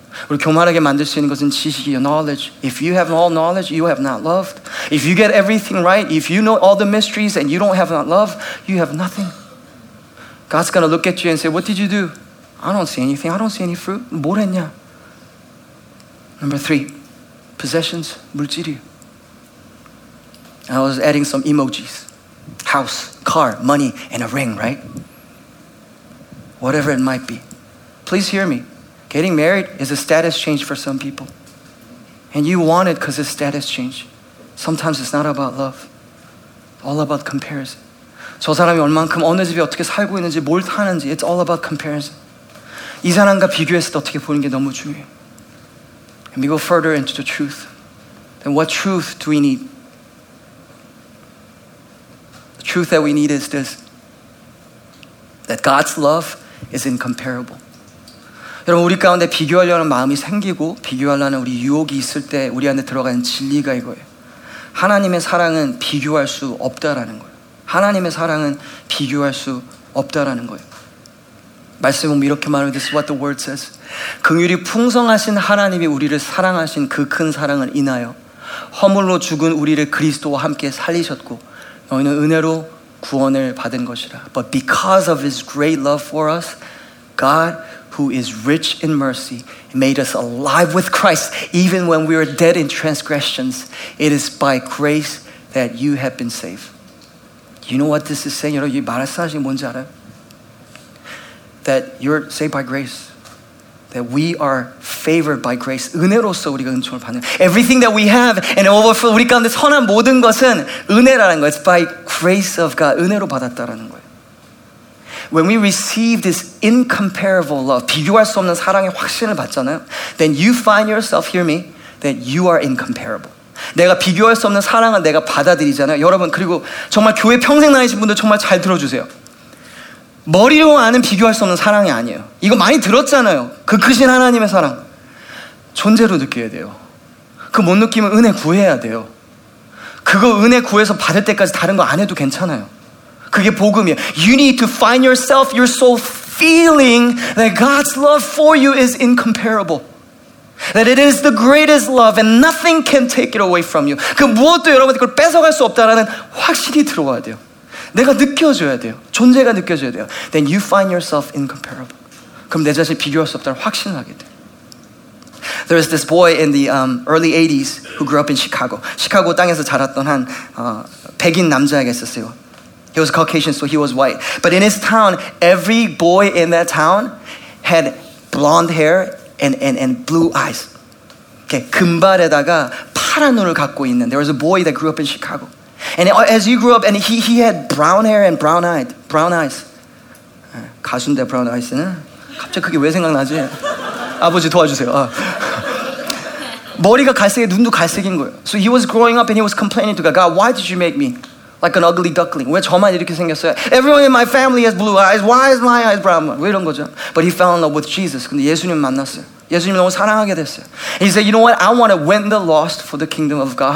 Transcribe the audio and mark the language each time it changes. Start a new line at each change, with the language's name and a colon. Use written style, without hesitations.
Korean: 우리 교만하게 만들 수 있는 것은 지식이요, knowledge.
English: If you have all knowledge, you have not loved. If you get everything right, if you know all the mysteries and you don't have not love, you have nothing. God's gonna look at you and say, what did you do? I don't see anything. I don't see any fruit.
Korean: 뭘 했냐?
English: Number 3, possessions,
Korean: 물질이요.
English: I was adding some emojis. House, car, money, and a ring, right? Whatever it might be. Please hear me. Getting married is a status change for some people. And you want it because it's status change. Sometimes it's not about love. It's all about comparison.
Korean: 저 사람이 얼만큼 어느 집에 어떻게 살고 있는지 뭘 타는지
English: it's all about comparison.
Korean: 이 사람과 비교했을 때 어떻게 보는 게 너무 중요해.
English: And we go further into the truth. Then what truth do we need? The truth that we need is this, that God's love is incomparable.
Korean: 여러분, 우리 가운데 비교하려는 마음이 생기고 비교하려는 우리 유혹이 있을 때 우리 안에 들어가는 진리가 이거예요. 하나님의 사랑은 비교할 수 없다라는 거예요. 하나님의 사랑은 비교할 수 없다라는 거예요. 말씀은 이렇게 말하면
English: this is what the word says.
Korean: 긍휼이 풍성하신 하나님이 우리를 사랑하신 그 큰 사랑을 인하여 허물로 죽은 우리를 그리스도와 함께 살리셨고 너희는 은혜로 구원을 받은 것이라.
English: But because of his great love for us, God, who is rich in mercy, made us alive with Christ, even when we were dead in transgressions. It is by grace that you have been saved. You know what this is saying?
Korean: 여러분, 이 말씀하신 게 뭔지 알아요?
English: That you're saved by grace. That we are favored by grace.
Korean: 은혜로서 우리가 은총을 받는.
English: Everything that we have and overflow
Korean: 우리 가운데 선한 모든 것은 은혜라는 거예요.
English: It's by grace of God.
Korean: 은혜로 받았다라는 거예요.
English: When we receive this incomparable love,
Korean: 비교할 수 없는 사랑의 확신을 받잖아요.
English: Then you find yourself, hear me, that you are incomparable.
Korean: 내가 비교할 수 없는 사랑을 내가 받아들이잖아요. 여러분, 그리고 정말 교회 평생 다니신 분들 정말 잘 들어주세요. 머리로 아는 비교할 수 없는 사랑이 아니에요. 이거 많이 들었잖아요. 그 크신 하나님의 사랑. 존재로 느껴야 돼요. 그 못 느끼면 은혜 구해야 돼요. 그거 은혜 구해서 받을 때까지 다른 거 안 해도 괜찮아요. 그게 복음이에요.
English: You need to find yourself, your soul feeling that God's love for you is incomparable. That it is the greatest love and nothing can take it away from you.
Korean: 그 무엇도 여러분한테 그걸 뺏어갈 수 없다라는 확신이 들어와야 돼요. 내가 느껴져야 돼요. 존재가 느껴져야 돼요.
English: Then you find yourself incomparable.
Korean: 그럼 내 자신 비교할 수 없다는 확신을 하게 돼.
English: There was this boy in the early 80s who grew up in Chicago.
Korean: 시카고 땅에서 자랐던 한 백인 남자가 있었어요.
English: He was Caucasian, so he was white. But in his town, every boy in that town had blonde hair and blue eyes.
Korean: 이렇게 금발에다가 파란 눈을 갖고 있는.
English: There was a boy that grew up in Chicago. And as you grew up, and he had brown hair and brown eyes.
Korean: 가수인데
English: brown eyes
Korean: 는 갑자기 그게 왜 생각나지? 아버지 도와주세요. 머리가 갈색에 눈도 갈색인 거예요.
English: So he was growing up and he was complaining to God, God, why did you make me like an ugly duckling?
Korean: 왜 저만 이렇게 생겼어요?
English: Everyone in my family has blue eyes. Why is my eyes brown?
Korean: 왜 이런 거죠?
English: But he fell in love with Jesus.
Korean: 근데 예수님 만났어요. 예수님 너무 사랑하게 됐어요.
English: He said, you know what? I want to win the lost for the kingdom of God.